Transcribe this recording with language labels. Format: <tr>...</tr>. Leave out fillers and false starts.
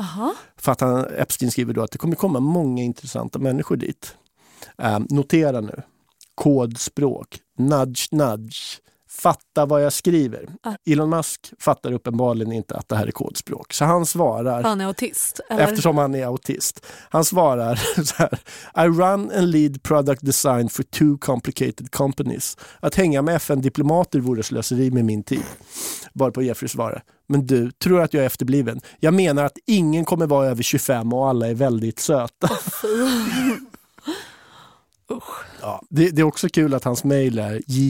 <sv>Aha. För att Epstein skriver då att det kommer komma många intressanta människor dit. Notera nu, kodspråk, nudge, fatta vad jag skriver. Elon Musk fattar uppenbarligen inte att det här är kodspråk. Så han svarar... Han är autist. Eller? Eftersom han är autist. Han svarar så här:</sv> <en>I run and lead product design for two complicated companies.</en> <sv>Att hänga med FN-diplomater vore slöseri med min tid. Bara på Jeffrey svarar: men du, tror jag att jag är efterbliven? Jag menar att ingen kommer vara över 25 och alla är väldigt söta. Ja, det är också kul att hans mejl är</sv>